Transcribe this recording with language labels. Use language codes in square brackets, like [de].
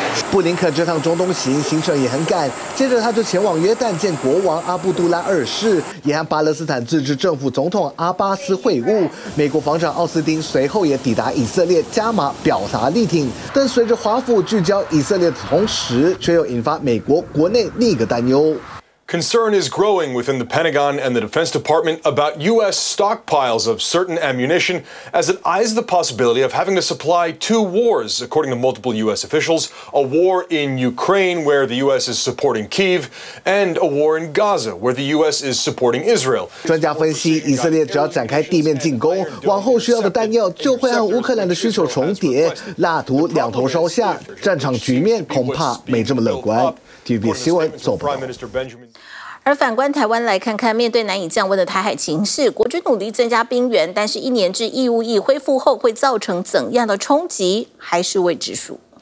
[zh] 布林肯这趟中东行程也很赶，接着他就前往约旦见国王阿卜杜拉二世，也和巴勒斯坦自治政府总统阿巴斯会晤。美国防长奥斯汀随后也抵达以色列，加码表达力挺。但随着华府聚焦以色列的同时，却又引发美国国内另一个担忧。 [en] Concern is growing within the Pentagon and the Defense Department about U.S. stockpiles of certain ammunition as it eyes the possibility of having to supply two wars, according to multiple U.S. officials, a war in Ukraine where the U.S. is supporting Kyiv, and a war in Gaza where the U.S. is supporting Israel. [zh] 专家分析，以色列只要展开地面进攻，往后需要的弹药就会和乌克兰的需求重叠，蜡烛两头烧下，战场局面恐怕没这么乐观。 TVBS 新闻总报道。而反观台湾，来看看面对难以降温的台海情势，国军努力增加兵员，但是一年制义务役恢复后会造成怎样的冲击，还是未知数。